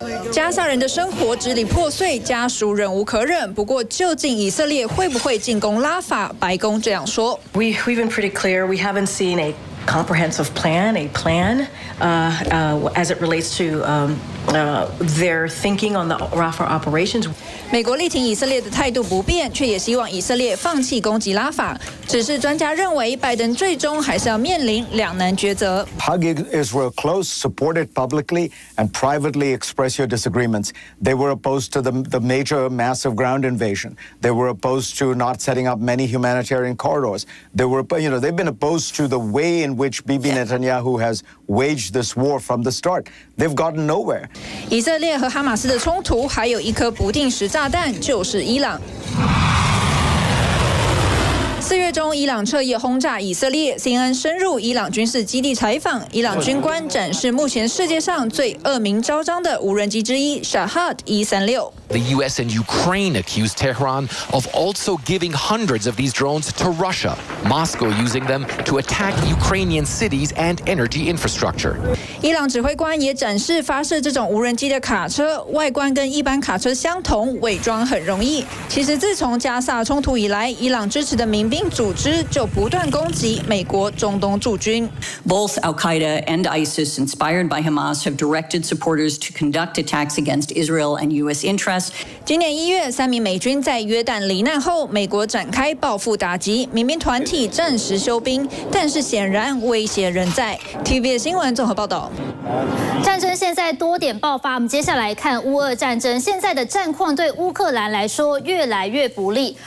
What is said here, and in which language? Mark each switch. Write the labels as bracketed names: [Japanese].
[Chinese] 加萨人的生活支离破碎，家属忍无可忍。不过，究竟以色列会不会进攻拉法？白宫这样说。 [English] We've been pretty clear. We haven't seen a comprehensive plan, a plan, as it relates to their thinking on the Rafah operations. [Chinese] 美国力挺以色列的态度不变，却也希望以色列放弃攻击拉法。只是专家认为，拜登最终还是要面临两难抉择。 [English] Hug Israel close, support it publicly, and privately express your disagreements. They were opposed to the major massive ground invasion. They were opposed to not setting up many humanitarian corridors. They were, you know, they've been opposed to the way in which Bibi Netanyahu has waged this war from the start. They've gotten nowhere. [Chinese] 以色列和哈马斯的冲突还有一颗不定时炸弹，就是伊朗。四月中，伊朗彻夜轰炸以色列。CNN 深入伊朗军事基地采访，伊朗军官展示目前世界上最恶名昭彰的无人机之一 Shahed 136。 [English] The U.S. and Ukraine accused Tehran of also giving hundreds of these drones to Russia. Moscow using them to attack Ukrainian cities and energy infrastructure. [Chinese] 伊朗指挥官也展示发射这种无人机的卡车，外观跟一般卡车相同，伪装很容易。其实自从加萨冲突以来，伊朗支持的民兵组织就不断攻击美国中东驻军。 [English] Both Al-Qaeda and ISIS, inspired by Hamas, have directed supporters to conduct attacks against Israel and U.S. interests. [Chinese] 今年1月，三名美军在约旦罹难后，美国展开报复打击，民兵团体暂时休兵，但是显然威胁仍在。 TVBS 新闻综合报道。战争现在多点爆发，我们接下来看乌俄战争。现在的战况对乌克兰来说越来越不利。